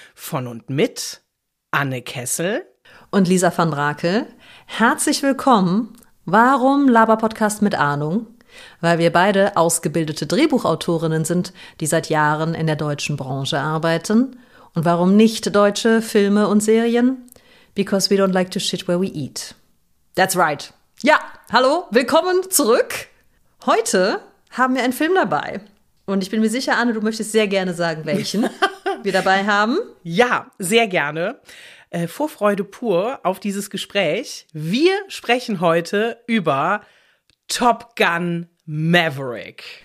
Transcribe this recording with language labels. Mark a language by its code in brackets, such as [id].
[de] Von und mit Anne Kessel und Lisa van Brakel. Herzlich willkommen. Warum Laber-Podcast mit Ahnung? Weil wir beide ausgebildete Drehbuchautorinnen sind, die seit Jahren in der deutschen Branche arbeiten. Und warum nicht-deutsche Filme und Serien? [en] Because we don't like to shit where we eat. That's right. [de] Ja, hallo, willkommen zurück. Heute haben wir einen Film dabei. Und ich bin mir sicher, Anne, du möchtest sehr gerne sagen, welchen wir dabei haben. Ja, sehr gerne. Vorfreude pur auf dieses Gespräch. Wir sprechen heute über Top Gun Maverick.